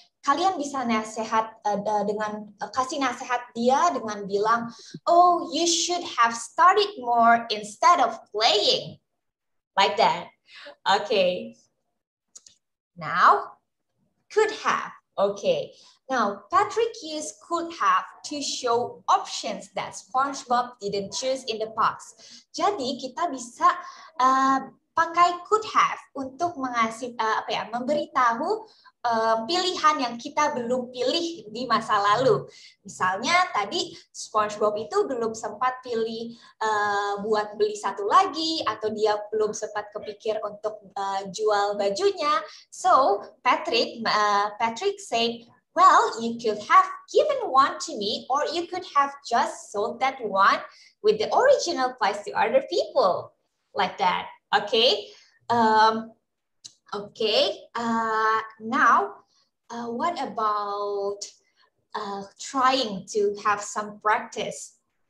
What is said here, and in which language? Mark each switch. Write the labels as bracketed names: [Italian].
[Indonesian] Kalian bisa nasihat kasih nasihat dia dengan [English] bilang, "Oh, you should have studied more instead of playing," like that. Okay, now could have. Okay, now Patrick used could have to show options that SpongeBob didn't choose in the past. [Indonesian] Jadi kita bisa pakai could have untuk memberitahu pilihan yang kita belum pilih di masa lalu. Misalnya tadi SpongeBob itu belum sempat pilih buat beli satu lagi, atau dia belum sempat kepikir untuk jual bajunya. [English] So Patrick said, "Well, you could have given one to me, or you could have just sold that one with the original price to other people," like that. Okay. Okay, now what about trying to have some practice?